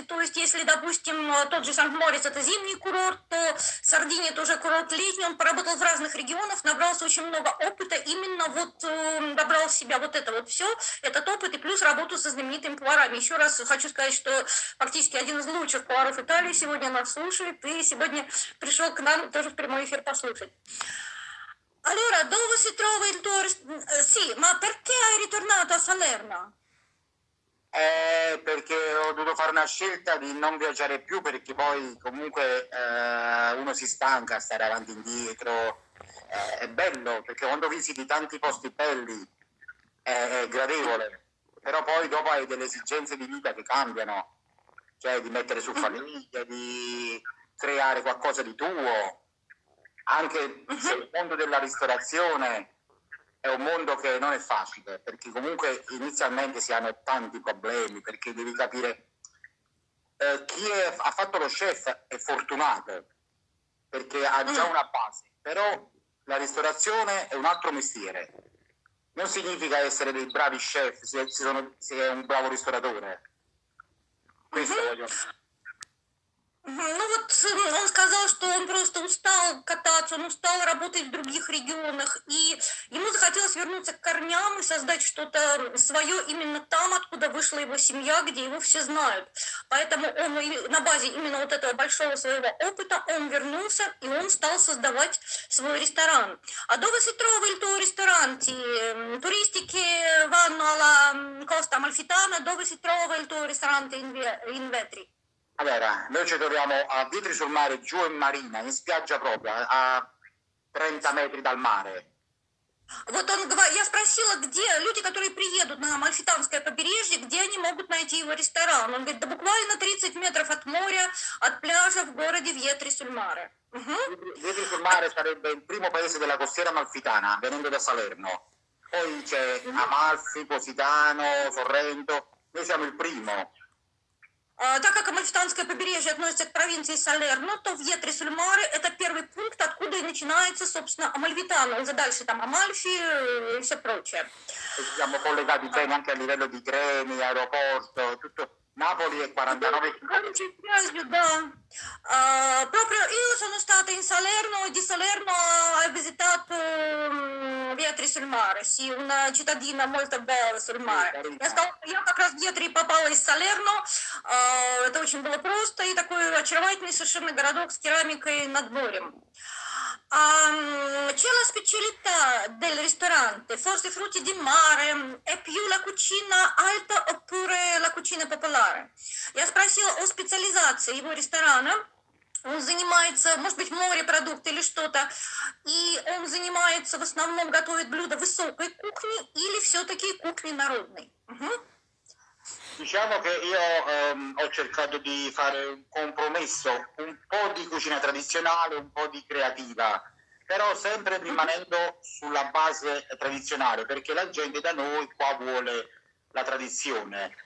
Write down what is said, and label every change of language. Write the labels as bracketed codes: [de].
[ru] То есть, если, допустим, тот же Сент-Мориц – это зимний курорт, то Сардиния – это уже курорт летний. Он поработал в разных регионах, набрался очень много опыта, именно вот добрал в себя вот это вот все, этот опыт, и плюс работу со знаменитыми поварами. Еще раз хочу сказать, что практически один из лучших поваров Италии сегодня нас слушает, и сегодня пришел к нам тоже в прямой эфир послушать. [it] Allora, dove si trova il tuo... Sì, ma perché hai ritornato a Salerno? Perché ho dovuto fare una scelta di non viaggiare più, perché poi comunque uno si stanca a stare avanti e indietro. È bello, perché quando visiti tanti posti belli è gradevole. Però poi dopo hai delle esigenze di vita che cambiano. Cioè di mettere su famiglia, di creare qualcosa di tuo. Anche sul mondo della ristorazione, È un mondo che non è facile, perché comunque inizialmente si hanno tanti problemi, perché devi capire chi è, ha fatto lo chef è fortunato, perché ha già una base, però la ristorazione è un altro mestiere. Non significa essere dei bravi chef se, se, sono, se è un bravo ristoratore. Questo voglio. [ru] Ну вот он сказал, что он просто устал кататься, он устал работать в других регионах, и ему захотелось вернуться к корням и создать что-то свое именно там, откуда вышла его семья, где его все знают. Поэтому он на базе именно вот этого большого своего опыта он вернулся, и он стал создавать свой ресторан. [it] А до вы сетровали ту ресторанти, туристики ванну ала Коста Мальфитана, до вы сетровали ту ресторанти инветри? Allora, noi ci troviamo a Vitri sul Mare, giù in marina, in spiaggia propria, a 30 metri dal mare. [ru] Вот он говорит, я спросила, где люди, которые приедут на Амальфитанское побережье, где они могут найти его ресторан. Он говорит, да буквально 30 метров от моря, от пляжа в городе Vietri sul Mare. [it] Vitri sul Mare sarebbe il primo paese della costiera amalfitana, venendo da Salerno. Poi c'è Amalfi, Positano, Sorrento. Noi siamo il primo. [ru] Так как Амальфитанское побережье относится к провинции Салерно, то в Вьетри-Сульмаре это первый пункт, откуда и начинается, собственно, Амальфитано. Он же дальше там Амальфи и все прочее. [it] Siamo collegati bene anche a livello di treni, aeroporto, tutto. Napoli è 49. Proprio io sono stata in Salerno e di Salerno ho visitato Vietri sul mare, sì, una cittadina molto bella sul mare. Io [ru] как раз Vietri попала [it] in Salerno, [ru] это очень было просто, и такой очаровательный совершенно городок с керамикой над морем. [it] C'è la specialità del ristorante, forse frutti di mare, è più la cucina alta oppure la cucina popolare? [ru] Я спросила о специализации его ресторана. Он занимается, может быть, морепродукты или что-то, и он занимается, в основном готовит блюда высокой кухни или все-таки кухни народной? [it] Diciamo che io ho cercato di fare un compromesso, un po' di cucina tradizionale, un po' di creativa, però sempre rimanendo sulla base tradizionale, perché la gente da noi qua vuole la tradizione.